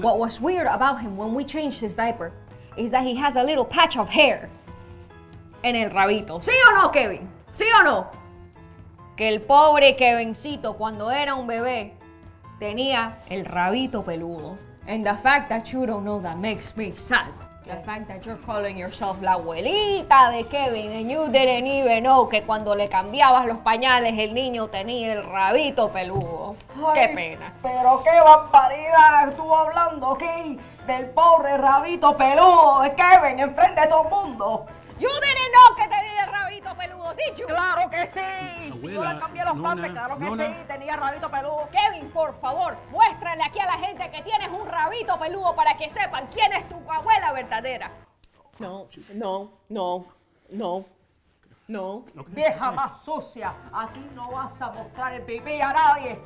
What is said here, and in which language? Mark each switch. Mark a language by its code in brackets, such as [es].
[en] What was weird about him when we changed his diaper is that he has a little patch of hair [es] en el rabito. ¿Sí o no, Kevin? ¿Sí o no? Que el pobre Kevincito, cuando era un bebé, tenía el rabito peludo. [en] And the fact that you don't know that makes me sad. The fact that you're calling yourself [es] la abuelita de Kevin [en] and you didn't even know [es] que cuando le cambiabas los pañales el niño tenía el rabito peludo. Ay, qué pena. Pero qué barbaridad estuvo hablando aquí del pobre rabito peludo de Kevin enfrente de todo el mundo. [en] You didn't know [es] que tenía el rabito peludo, [en] did you? [es] Claro que sí. Abuela, si yo le cambié los pampers, claro que sí, tenía rabito peludo. Kevin, por favor, muéstrale aquí a la gente que tienes un rabito peludo para que sepan quién es tu abuela verdadera. No. [en] Okay. [es] Vieja más sucia, aquí no vas a mostrar el pipí a nadie.